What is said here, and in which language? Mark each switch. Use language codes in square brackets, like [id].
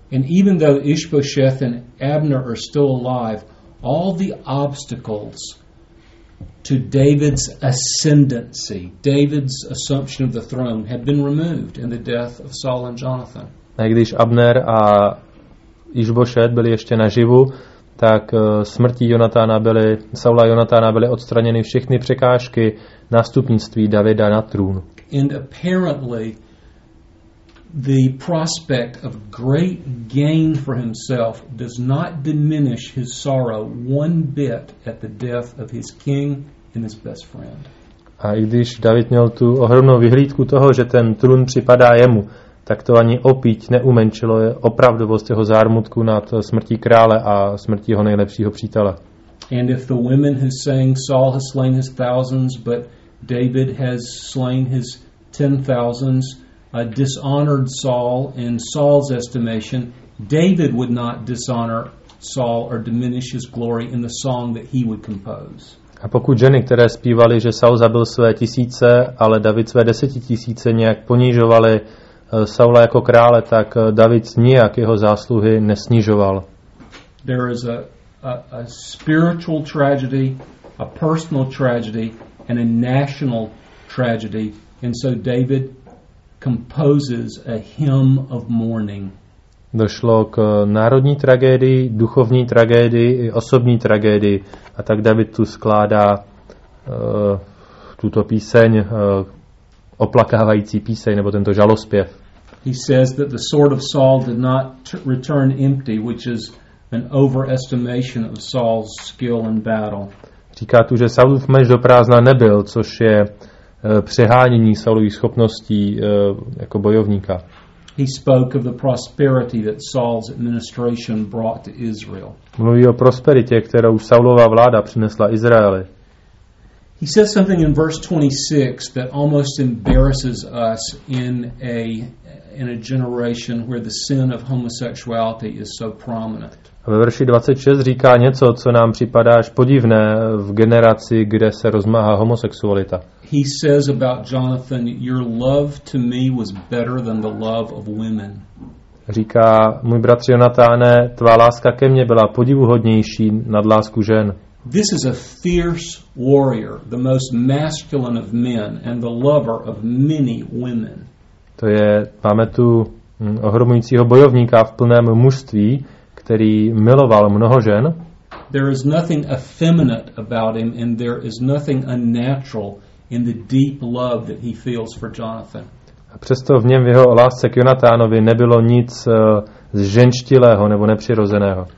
[en] And even though Ish-bosheth and Abner are still alive, all the obstacles to David's ascendancy, David's assumption of the throne, had been removed in the death of Saul and Jonathan. [cs] A když Abner a Ish-bosheth byli ještě naživu, tak smrtí Saula a Jonatána byly odstraněny všechny překážky nástupnictví Davida na trůn. [en] And apparently the prospect of great gain for himself does not diminish his sorrow one bit at the death of his king and his best friend. [cs] A i když David měl tu ohromnou vyhlídku toho, že ten trůn připadá jemu, tak to ani opíť neumenšilo opravdovost jeho zármutku nad smrtí krále a smrtí jeho nejlepšího přítele. [en] And if the women who sang Saul has slain his thousands, but David has slain his 10,000s, dishonored Saul in Saul's estimation, David would not dishonor Saul or diminish his glory in the song that he would compose. [cs] A pokud ženy, které zpívaly, že Saul zabil své tisíce, ale David své desetitisíce, nějak ponižovaly Saula jako krále, tak David nijak jeho zásluhy nesnižoval. [en] There is a spiritual tragedy, a personal tragedy, and a national tragedy, and so David composes a hymn of mourning. [cs] Došlo k národní tragédii, duchovní tragédii i osobní tragédii, a tak David tu skládá tuto píseň, oplakávající píseň nebo tento žalospěv. [en] He says that the sword of Saul did not return empty, which is an overestimation of Saul's skill in battle. [cs] Říká tu, že Saulův meč do prázdna nebyl, což je přehánění Saulových schopností jako bojovníka. [en] He spoke of the prosperity that Saul's administration brought to Israel. [cs] Mluví o prosperitě, kterou Saulova vláda přinesla Izraeli. [en] He says something in verse 26 that almost embarrasses us in a generation where the sin of homosexuality is so prominent. [cs] Ve verši 26 říká něco, co nám připadá až podivné v generaci, kde se rozmáhá homosexualita. [en] He says about Jonathan, your love to me was better than the love of women. [cs] Říká, můj bratře Jonatáne, tvá láska ke mně byla podivuhodnější nad lásku žen. [en] This is a fierce warrior, the most masculine of men and the lover of many women. [cs] To je, máme tu ohromujícího bojovníka v plném mužství, který miloval mnoho žen. [en] There is nothing effeminate about him and there is nothing unnatural in the deep love that he feels for Jonathan. [cs] A přesto v něm v jeho lásce k Jonatánovi nebylo nic zženštilého nebo nepřirozeného.